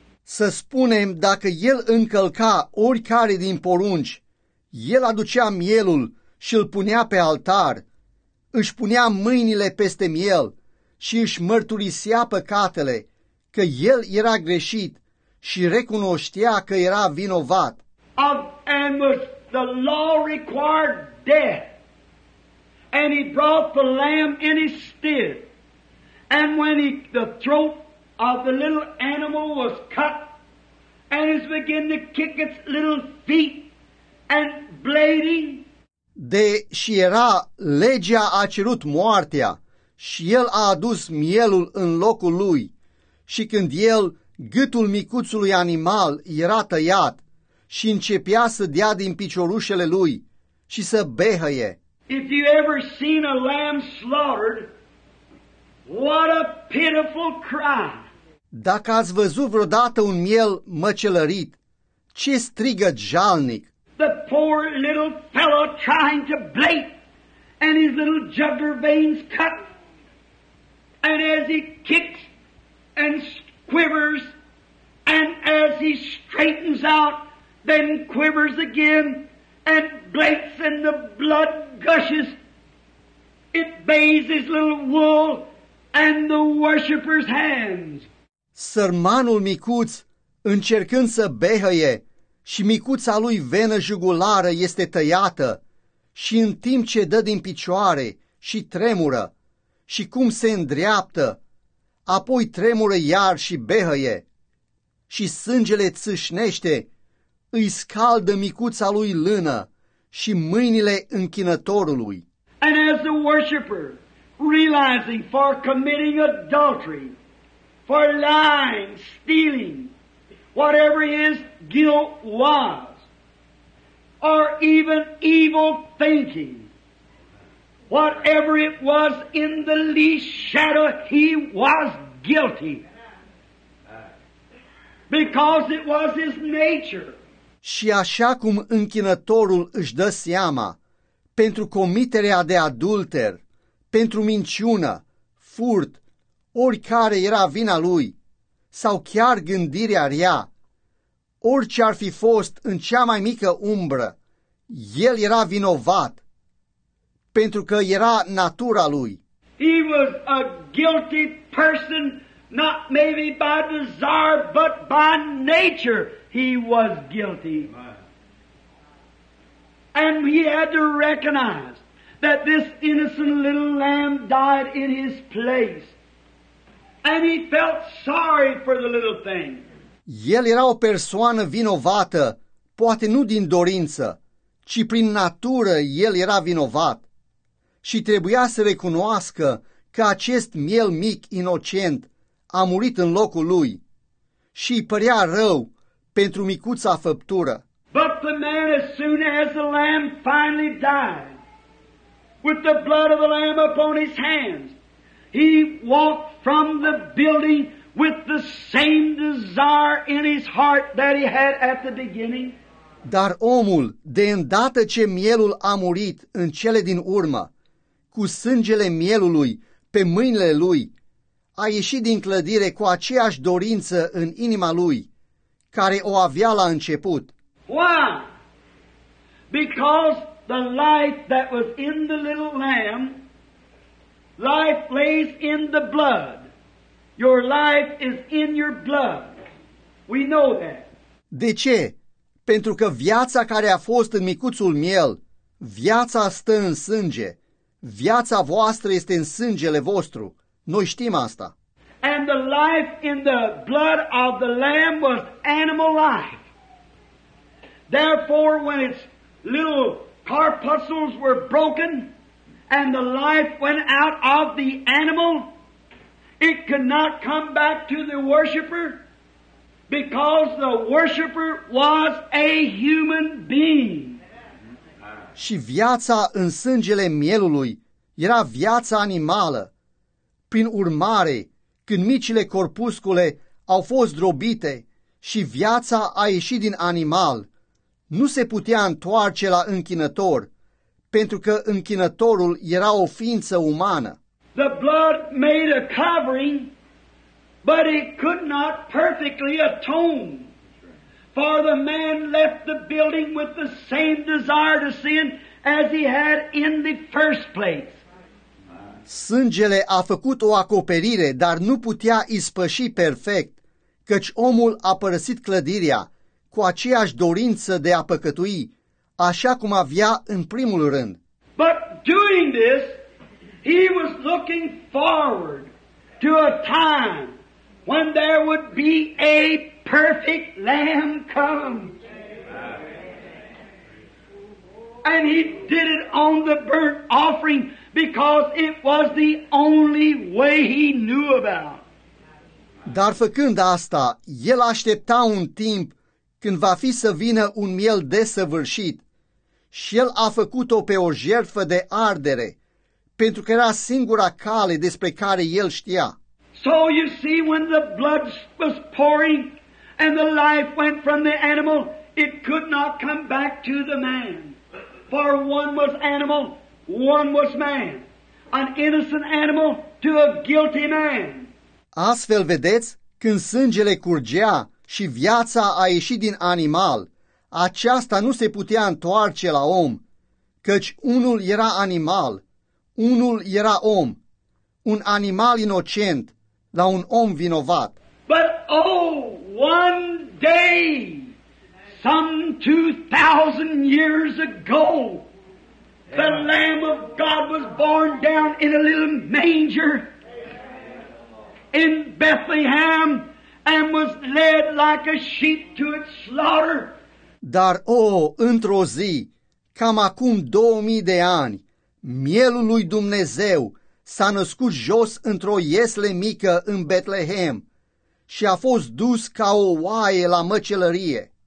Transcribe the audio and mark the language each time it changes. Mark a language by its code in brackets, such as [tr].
[ro] Să spunem, dacă el încălca oricare din porunci, el aducea mielul și îl punea pe altar, își punea mâinile peste miel și își mărturisea păcatele, că el era greșit și recunoștea că era vinovat. [en] And was the law required death. And he brought the lamb in his stead. And when the throat of the little animal was cut, and it began to kick its little feet and bleeding. [ro] Deși era, legea a cerut moartea și el a adus mielul în locul lui. Și când el, gâtul micuțului animal, era tăiat și începea să dea din piciorușele lui și să behăie. [en] If you ever seen a lamb slaughtered, what a pitiful cry. [ro] Dacă ați văzut vreodată un miel măcelărit, ce strigăt jalnic. [en] The poor little fellow trying to bleat, and his little jugular veins cut, and as he kicks and quivers, and as he straightens out, then quivers again, and bleats, and the blood gushes. It bathes his little wool and the worshipper's hands. [ro] Sărmanul micuț, încercând să behăie, și micuța lui venă jugulară este tăiată, și în timp ce dă din picioare și tremură, și cum se îndreaptă, apoi tremură iar și behăie, și sângele țâșnește, îi scaldă micuța lui lână și mâinile închinătorului. [en] And as the worshipper, realizing for committing adultery, for lying, stealing, whatever his guilt was, or even evil thinking, whatever it was, in the least shadow, he was guilty. Because it was his nature. [ro] Și așa cum închinătorul își dă seama, pentru comiterea de adulter, pentru minciună, furt, oricare era vina lui, sau chiar gândirea rea, orice ar fi fost în cea mai mică umbră, el era vinovat, pentru că era natura lui. [en] He was a guilty person, not maybe by desire, but by nature. He was guilty. And he had to recognize that this innocent little lamb died in his place. And he felt sorry for the little thing. [ro] El era o persoană vinovată, poate nu din dorință, ci prin natură el era vinovat. Și trebuia să recunoască că acest miel mic inocent a murit în locul lui. Și îi părea rău pentru micuța făptură. [en] But the man as soon as the lamb finally died, with the blood of the lamb upon his hands. He walked from the building with the same desire in his heart that he had at the beginning. [ro] Dar omul, de îndată ce mielul a murit în cele din urmă, cu sângele mielului pe mâinile lui, a ieșit din clădire cu aceeași dorință în inima lui, care o avea la început. [en] Why? Because the life that was in the little lamb, life lays in the blood. Your life is in your blood. We know that. [ro] De ce? Pentru că viața care a fost în micuțul miel, viața stă în sânge. Viața voastră este în sângele vostru. Noi știm asta. [en] And the life in the blood of the lamb was animal life. Therefore, when its little corpuscles were broken and the life went out of the animal, it could not come back to the worshiper because the worshiper was a human being. [ro] Și viața în sângele mielului era viața animală. Prin urmare, când micile corpuscule au fost zdrobite și viața a ieșit din animal, nu se putea întoarce la închinător, pentru că închinătorul era o ființă umană. [en] The blood made a covering, but it could not perfectly atone. For the man left the building with the same desire to sin as he had in the first place. [ro] Sângele a făcut o acoperire, dar nu putea ispăși perfect, căci omul a părăsit clădirea cu aceeași dorință de a păcătui, așa cum avea în primul rând. [en] But doing this, he was looking forward to a time when there would be a perfect lamb come. And he did it on the burnt offering because it was the only way he knew about. [ro] Dar făcând asta, el aștepta un timp când va fi să vină un miel desăvârșit. Și el a făcut-o pe o jertfă de ardere, pentru că era singura cale despre care el știa. [en] So you see, when the blood was pouring and the life went from the animal, it could not come back to the man. For one was animal, one was man. An innocent animal to a guilty man. [ro] Astfel vedeți, când sângele curgea și viața a ieșit din animal, aceasta nu se putea întoarce la om, căci unul era animal, unul era om, un animal inocent, la un om vinovat. [en] But oh, one day, some 2,000 years ago, the Lamb of God was born down in a little manger in Bethlehem and was led like a sheep to its slaughter. [ro] Dar oh, într-o zi, cam acum 2000 de ani, mielul lui Dumnezeu s-a născut jos într-o iesle mică în Betlehem și a fost dus ca o oaie la măcelărie.